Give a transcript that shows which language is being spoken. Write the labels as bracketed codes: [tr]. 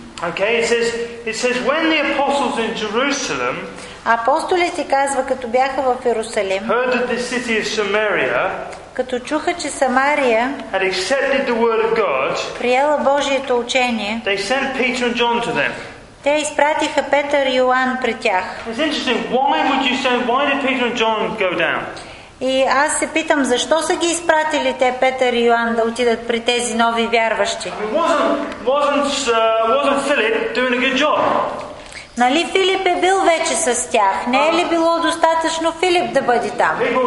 [en] Okay, it says when the apostles in Jerusalem, [bg] апостолите казва, като бяха в Йерусалим, [en] heard that the city of Samaria, [bg] като чуха, че Самария [en] had accepted the word of God, [bg] приела Божието учение, [en] they sent Peter and John to them. [bg] Те изпратиха Петър и Йоан при тях. [en] It's interesting. Why would you send? Why did Peter and John go down? [bg] И аз се питам, защо са ги изпратили те, Петър и Йоан, да отидат при тези нови вярващи? [en] Wasn't Philip doing a good job? [bg] Нали Филип е бил вече с тях? Не е ли било достатъчно Филип да бъде там?